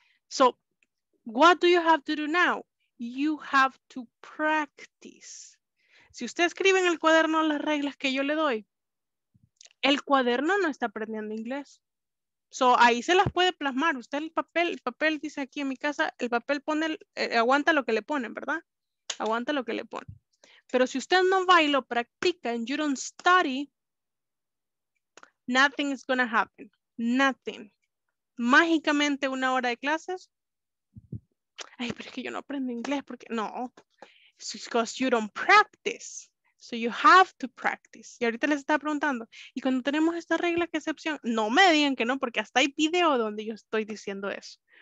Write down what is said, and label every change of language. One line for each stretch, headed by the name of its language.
English: So, what do you have to do now? You have to practice.
Spanish: Si usted escribe en el cuaderno las reglas que yo le doy, el cuaderno no está aprendiendo inglés. So, ahí se las puede plasmar. Usted el papel dice aquí en mi casa, el papel pone, aguanta lo que le ponen, ¿verdad? Aguanta lo que le ponen. Pero si usted no va y lo practica,
English: and you don't study, nothing is going to happen.
Spanish: Nothing. Mágicamente una hora de clases. Ay, pero es que yo no aprendo inglés porque, no.
English: It's because you don't practice. So you have to practice.
Spanish: Y ahorita les estaba preguntando, ¿y cuando tenemos esta regla, qué excepción? No me digan que no, porque hasta hay video donde yo estoy diciendo eso.